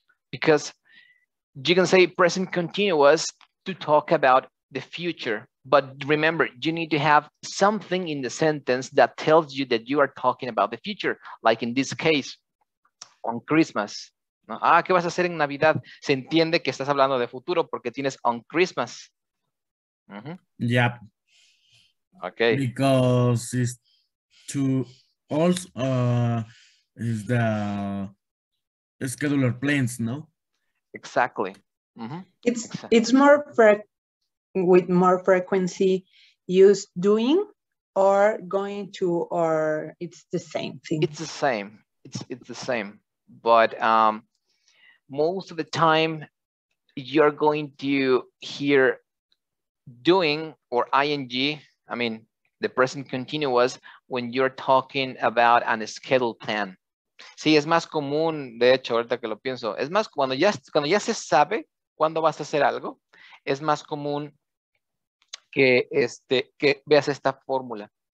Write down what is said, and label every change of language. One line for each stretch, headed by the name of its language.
English: Because you can say present continuous to talk about the future. But remember, you need to have something in the sentence that tells you that you are talking about the future. Like in this case, on Christmas. Ah,
Spanish: ¿qué vas a hacer en Navidad? Se entiende que estás hablando de futuro porque tienes
English: on Christmas. Yep. Okay. Because it's to also is the scheduler plans, no? Exactly. It's more with more frequency use doing or going to, or it's the same thing. It's the same. It's the same. But most of the time you're going to hear doing or ing, I mean the present continuous, when you're talking about a schedule plan.
Spanish: Sí, es más común, de hecho, ahorita que lo pienso, es más cuando ya se sabe cuándo vas a hacer algo, es más común que veas esta fórmula.